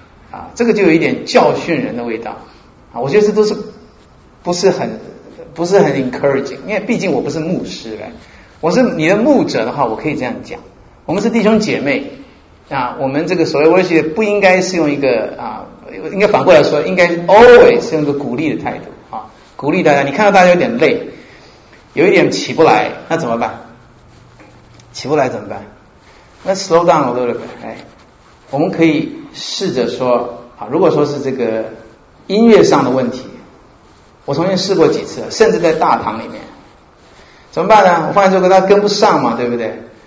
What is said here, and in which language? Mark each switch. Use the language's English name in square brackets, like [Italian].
[Chinese] 啊，这个就有一点教训人的味道，啊，我觉得这都是不是很 encouraging， 因为毕竟我不是牧师，我是你的牧者的话，我可以这样讲。我们是弟兄姐妹，啊，我们这个所谓 worship 不应该是用一个啊，应该反过来说，应该 always 是用一个鼓励的态度啊，鼓励大家。你看到大家有点累，有一点起不来，那怎么办？起不来怎么办 [English] ？Let's slow down a little bit。 [Chinese] 哎，我们可以试着说啊，如果说是这个音乐上的问题，我重新试过几次，甚至在大堂里面，怎么办呢？我发现这个他跟不上嘛，对不对？